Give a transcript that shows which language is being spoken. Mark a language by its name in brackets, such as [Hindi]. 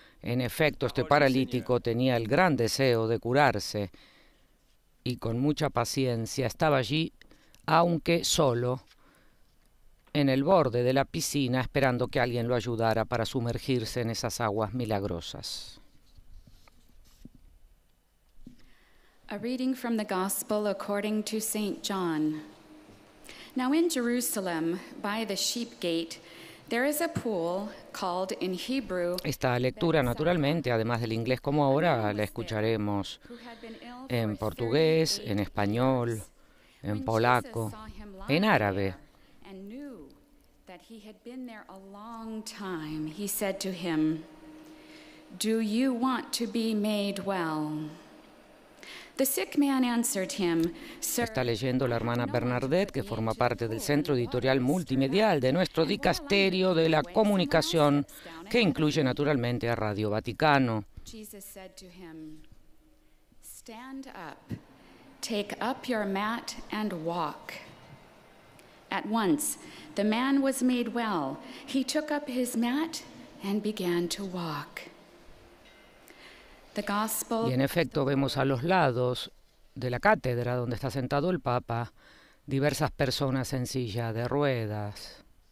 [Spanish] En efecto, este paralítico tenía el gran deseo de curarse y con mucha paciencia estaba allí, aunque solo, en el borde de la piscina esperando que alguien lo ayudara para sumergirse en esas aguas milagrosas. [English] A reading from the Gospel according to Saint John. Now in Jerusalem, by the Sheep Gate, there is a pool called in Hebrew. [Spanish] Esta lectura, naturalmente, además del inglés como ahora, la escucharemos en portugués, en español, en polaco, en árabe. [English] And knew that he had been there a long time. He said to him, "Do you want to be made well?" The sick man answered him, "Sir." [Spanish] Está leyendo la hermana Bernadette, que forma parte del Centro Editorial Multimedial de nuestro Dicasterio de la Comunicación, que incluye naturalmente a Radio Vaticano. [English] Jesus said to him, "Stand up, take up your mat and walk." At once, the man was made well. He took up his mat and began to walk. [Spanish] Y en efecto vemos a los lados de la cátedra donde está sentado el Papa diversas personas en silla de ruedas.